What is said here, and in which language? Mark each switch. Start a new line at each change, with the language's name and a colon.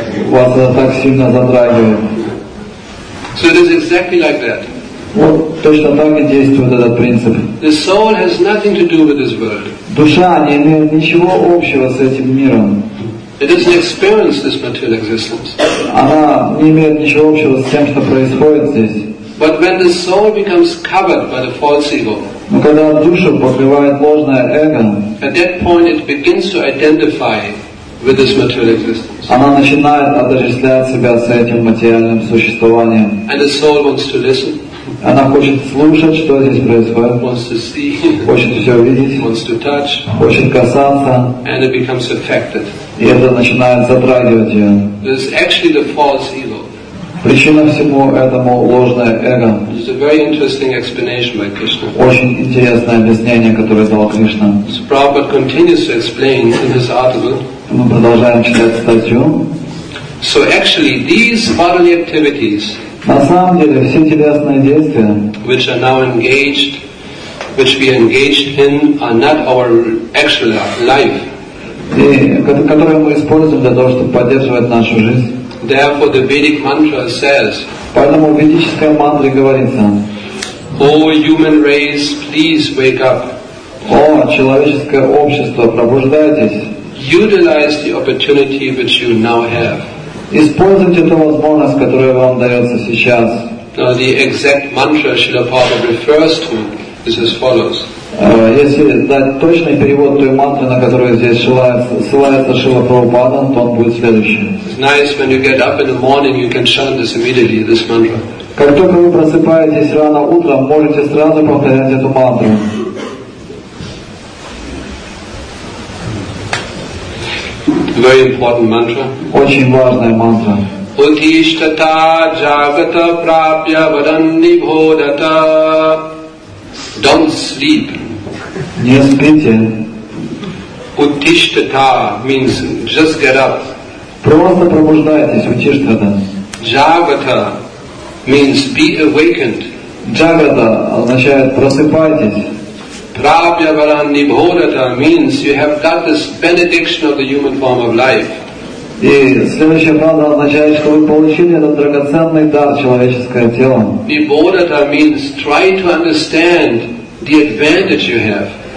Russian: Вас это так сильно затрагивает.
English: So it is exactly like that.
Russian: Вот точно так и действует этот принцип.
English: The soul has nothing to do with this world.
Russian: Душа не имеет ничего общего с этим миром.
English: It doesn't experience this material existence.
Russian: Она не имеет ничего общего с тем, что происходит здесь.
English: But when the soul becomes covered by the false ego,
Russian: но когда душу покрывает ложное эго,
English: at that point it begins to identify with this material existence.
Russian: Она начинает отождествлять себя с этим материальным существованием.
English: And the soul wants to listen.
Russian: Она хочет слушать, что здесь происходит.
English: Wants to see.
Russian: Хочет все видеть.
English: Wants to touch.
Russian: Хочет касаться.
English: And it becomes affected.
Russian: И это начинает затрагивать ее.
English: This is actually the false ego.
Russian: Причина всему этому ложное эго.
English: This is a very interesting explanation by Krishna.
Russian: Очень интересное объяснение, которое дал Кришна.
English: So Prabhupada continues to explain in his article.
Russian: Мы продолжаем читать статью.
English: So actually, these bodily activities,
Russian: на самом деле, все телесные действия,
English: which are now engaged, which we are engaged in, are not our actual life.
Russian: И, которые мы используем для того, чтобы поддерживать нашу жизнь.
English: Therefore, the Vedic mantra says,
Russian: поэтому в ведической мантре говорится,
English: O human race, please wake up.
Russian: О, человеческое общество, пробуждайтесь.
English: Utilize the opportunity which you now have.
Russian: Используйте ту возможность, которая вам дается сейчас.
English: Now the exact mantra Srila Prabhupada refers to is as follows.
Russian: Если дать точный перевод той мантры, на которую здесь ссылается Шрила Прабхупада, то он будет следующим.
English: It's nice when you get up in the morning, you can chant this immediately, this mantra.
Russian: Как только вы просыпаетесь рано утром, можете сразу повторять эту мантру.
English: Very important mantra.
Russian: Очень важная мантра.
Sanskrit: Утиштата джагата прапья варанни бходата.
English: Don't sleep.
Russian: Не спите.
English: Утиштата means just get up.
Russian: Просто пробуждайтесь, утиштата.
English: Джагата means be awakened.
Russian: Джагата означает просыпайтесь.
English: Prabhya varan nibhodata means you have got this benediction of the human form of life.
Russian: И следующая фраза означает, что вы получили этот драгоценный дар человеческое тело.
English: Nibhodata means try to understand the advantage you have.